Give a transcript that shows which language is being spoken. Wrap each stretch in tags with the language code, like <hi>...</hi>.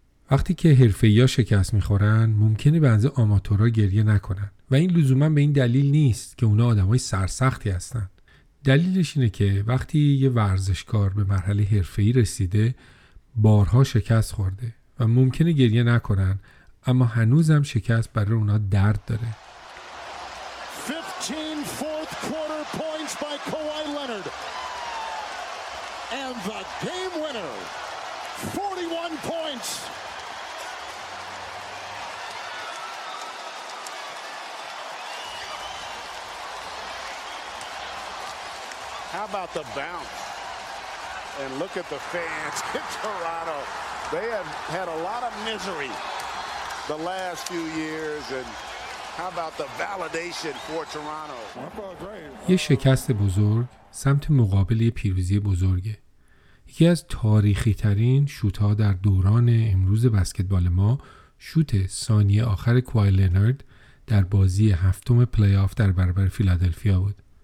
<fa>وقتی که حرفه‌ای‌ها شکست میخورن ممکنه بنز آماتورها گریه نکنن و این لزوماً به این دلیل نیست که اونا آدمای سرسختی هستن. دلیلش اینه که وقتی یه ورزشکار به مرحله حرفه‌ای رسیده بارها شکست خورده و ممکنه گریه نکنن اما هنوزم شکست برای اونا درد داره.</fa> <en>15 fourth quarter points by Kawhi Leonard and the game winner 41 points. How about the bounce? And look at the fans in Toronto. They have had a lot of misery the last few years and how about the validation for Toronto?</en> <fa>یه شکست بزرگ سمت مقابل یه پیروزی بزرگه. یکی از تاریخی ترین شوت‌ها در دوران امروز بسکتبال ما شوت ثانیه آخر کوای لنارد در بازی هفتم پلی‌آف در برابر فیلادلفیا بود.</fa>